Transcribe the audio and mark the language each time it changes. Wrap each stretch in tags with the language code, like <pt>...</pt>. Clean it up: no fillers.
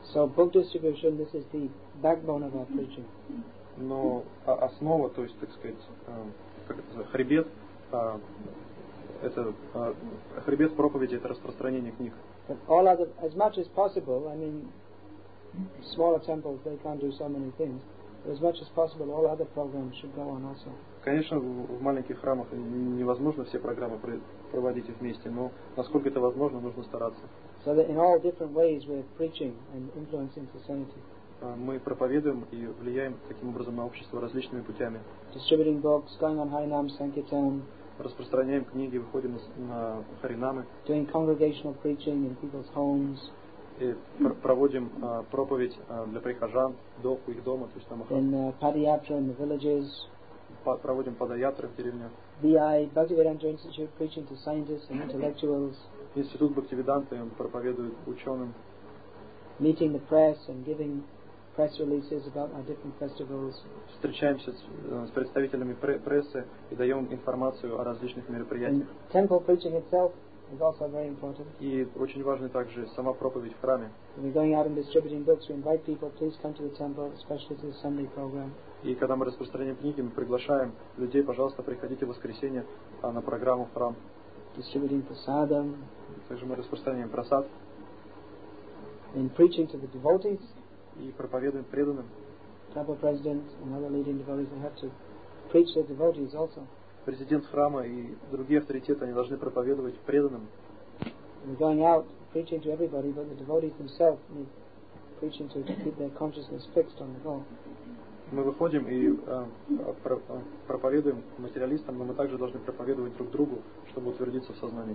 <en>So book distribution, this is the backbone of our preaching.</en> <ru>Но основа, то есть, так сказать, хребет, это хребет проповеди, это распространение книг.</ru> <en>As much as possible, smaller temples, they can't do so many things. But as much as possible, all other programs should go on also.</en> <ru>Конечно, в маленьких храмах невозможно все программы проводить вместе, но насколько это возможно, нужно стараться.</ru> <en>So that in all different ways we're preaching and influencing society.</en> <ru>Мы проповедуем и влияем таким образом на общество различными путями.</ru> <en>Distributing books, going on Harinam Sankirtan.</en> <ru>Распространяем книги, выходим на харинамы.</ru> <en>Doing congregational preaching in people's homes.</en> <ru>И проводим проповедь для прихожан до их дома, то есть там их.</ru> <en>In Padayatra in the villages.</en> <ru>Проводим Падаятры в деревнях.</ru> <en>BI, Bhaktivedanta Institute, preaching to scientists and intellectuals.</en> <ru>Институт Бхактивиданты, он проповедует ученым.</ru> <en>Meeting the press and giving press releases about our different festivals.</en> <ru>Встречаемся с представителями прессы и даем информацию о различных мероприятиях.</ru> <en>And temple preaching itself is also very important.</en> <ru>И очень важна также сама проповедь в храме.</ru> <en>When we're going out and distributing books, we invite people, please come to the temple, especially to the Sunday program.</en> <ru>И когда мы распространяем книги, мы приглашаем людей, пожалуйста, приходите в воскресенье на программу в храм.</ru> <en>Distributing prasadam.</en> <ru>Также мы распространяем просад.</ru> <en>In preaching to the devotees.</en> <ru>И проповедуем преданным.</ru> <en>Temple president and other leading devotees, they have to preach to the devotees also.</en> <ru>Президент храма и другие авторитеты, они должны проповедовать преданным.</ru> <en>We're going out preaching to everybody, but the devotees themselves need preaching to keep their consciousness fixed on the goal.</en> <ru>мы выходим и проповедуем материалистам, но мы также должны проповедовать друг другу, чтобы утвердиться в сознании</ru>